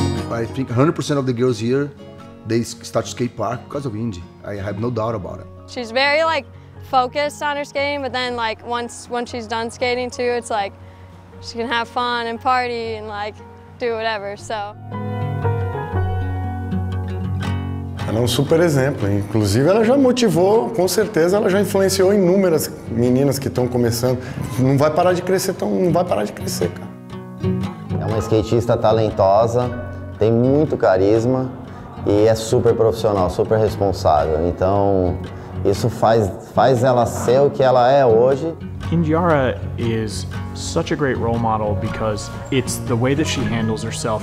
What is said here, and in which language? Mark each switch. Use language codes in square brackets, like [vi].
[en] I think 100% of the girls here, they start skate park because of Indy. I have no doubt about it. She's very, like, focused on her skating, but then like once she's done skating too, it's like she can have fun and party and like do whatever. So [pt] ela é um super exemplo. Inclusive, ela já motivou, com certeza, ela já influenciou inúmeras meninas que estão começando. Não vai parar de crescer, então não vai parar de crescer, cara. É uma skatista talentosa, tem muito carisma e é super profissional, super responsável. Então isso faz ela ser o que ela é hoje. [en] Yndiara is such a great role model because it's the way that she handles herself.